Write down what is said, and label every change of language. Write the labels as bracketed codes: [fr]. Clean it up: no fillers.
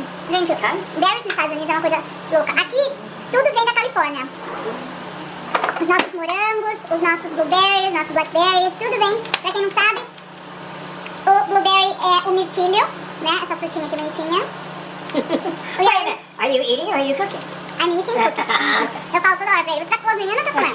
[pt] Gente, berries nos Estados Unidos é uma coisa louca. Aqui, tudo vem da Califórnia. Os nossos morangos, os nossos blueberries, os nossos blackberries, tudo vem. Pra quem não sabe, o blueberry é o mirtilho, né? Essa frutinha aqui bonitinha. [en] Wait a minute, are you eating or are you cooking? I'm eating cookies. [pt] Eu falo toda hora pra ele, você tá cozinhando ou tá comendo?